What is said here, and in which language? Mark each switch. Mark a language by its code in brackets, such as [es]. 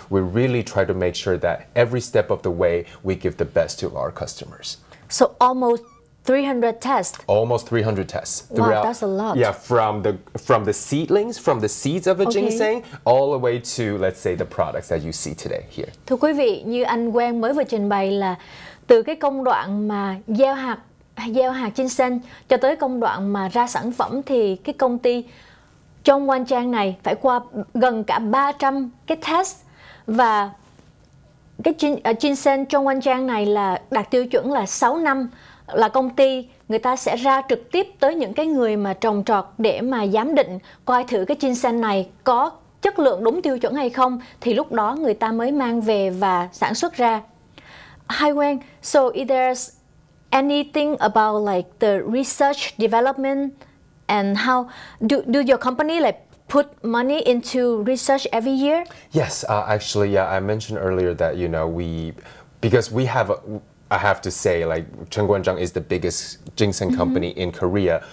[en] We really try to make sure that every step of the way we give the best to our customers. So almost 300 tests. Almost 300 tests. Wow, throughout, that's a lot. Yeah, from the seeds of a ginseng all the way to, let's say, the products that you see today here. [vi] Thưa quý vị, như anh Quang mới vừa trình bày là từ cái công đoạn mà gieo hạt ginseng cho tới công đoạn mà ra sản phẩm thì cái công ty trong Quang Trang này phải qua gần cả 300 cái test. Và cái ginseng trong Quang Trang này là đạt tiêu chuẩn là 6 năm, là công ty người ta sẽ ra trực tiếp tới những cái người mà trồng trọt để mà giám định coi thử cái ginseng này có chất lượng đúng tiêu chuẩn hay không, thì lúc đó người ta mới mang về và sản xuất ra. [en] Hi Wang, so is there anything about like the research development and how do your company like put money into research every year? Yes, actually, yeah, I mentioned earlier that, you know, I have to say, like, Chengguanzhang is the biggest ginseng company in Korea.